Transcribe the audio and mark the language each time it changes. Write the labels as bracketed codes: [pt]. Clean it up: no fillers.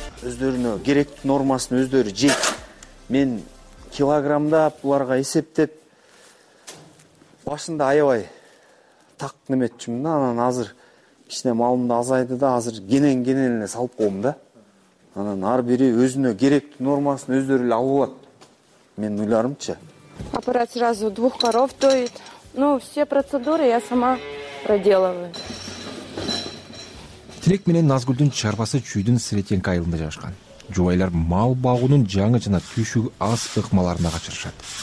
[ky] Өздөрүнө керектүү нормасын өздөрү жеп, мен килограммдап буларга эсептеп башында аябай так неметчүмүн да, анан азыр кичине малымды азайды да, азыр кенен эле салып коем да. Анан ар бири өзүнө керектүү нормасын өздөрү эле алып алат менин ойларымча. [ru] Аппарат сразу 2 коров доит, ну все процедуры я сама проделываю. [ky] Тилек менен Назгүлдүн чарбасы Чүйдүн Сретенко айылында жайгашкан. Жубайлар мал багуунун жаңы жана түйшүгү аз ыкмаларына качырышат.